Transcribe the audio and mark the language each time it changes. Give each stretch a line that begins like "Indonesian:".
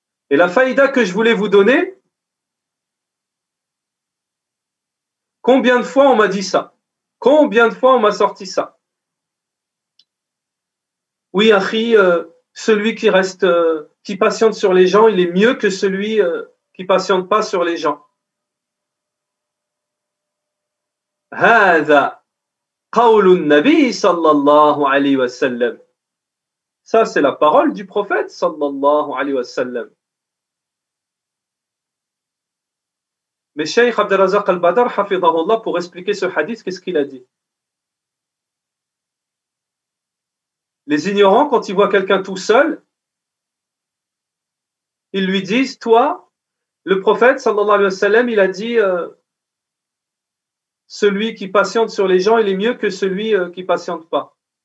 French: Et la faïda que je voulais vous donner, combien de fois on m'a dit ça? Combien de fois on m'a sorti ça? Oui, Akhi, celui qui reste, qui patiente sur les gens, il est mieux que celui qui ne patiente pas sur les gens.
Arabic: هذا قول النبي صلى الله عليه وسلم.
French: Ça, c'est la parole du prophète
Arabic: صلى الله عليه وسلم.
French: Mais Cheikh Abdelrazak al-Badr, hafidhahullah, pour expliquer ce hadith, qu'est-ce qu'il a dit? Les ignorants, quand ils voient quelqu'un tout seul, ils lui disent, toi, le prophète, sallallahu alayhi wa sallam, il a dit, celui qui patiente sur les gens, il est mieux que celui qui ne patiente pas.